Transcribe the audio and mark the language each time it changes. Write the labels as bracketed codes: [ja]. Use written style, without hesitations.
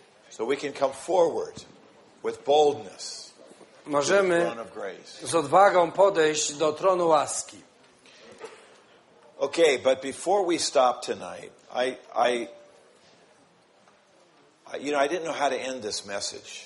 [en] So we can come forward with boldness. [pl] Możemy z odwagą podejść do tronu łaski. [en] Okay, but before we stop tonight, I didn't know how to end this message.